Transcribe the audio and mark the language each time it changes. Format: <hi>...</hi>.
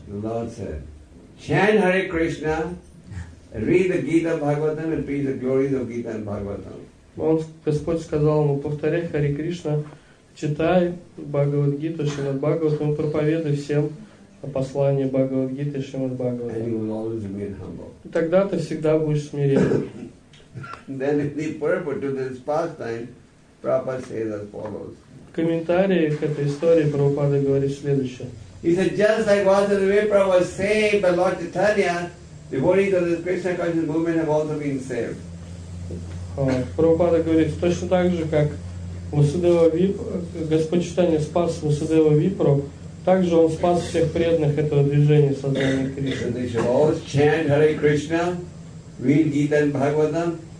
<en>The Lord said, chant Hare Krishna, read the Gita Bhagavatam and preach the glories of Gita and Bhagavatam.</en> <ru>Он, Господь сказал ему, повторяй Hare Krishna, читай Бхагавад Гиту, Шримад Бхагаватам, и проповедуй всем о послании Бхагавад Гиты и Шримад Бхагаватам.</ru> <en>And you will always remain humble.</en> <ru>И тогда ты всегда будешь смиренным.</ru> <en>Then if the purpose to this pastime, Prabhupada says as follows.</en> <ru>В комментарии к этой истории Прабхупада говорит следующее.</ru> <en>He said, just like Vasudeva Vipra was saved by Lord Chaitanya, the devotees of this Krishna conscious movement have also been saved.</en> <ru>Прабхупада говорит, точно так же, как Господь Чайтанья спас Васудеву Випру, так же он спас всех преданных этого движения сознания Кришны.</ru> <en>They should always chant Hare Krishna, read Gita and Bhagavatam,</en>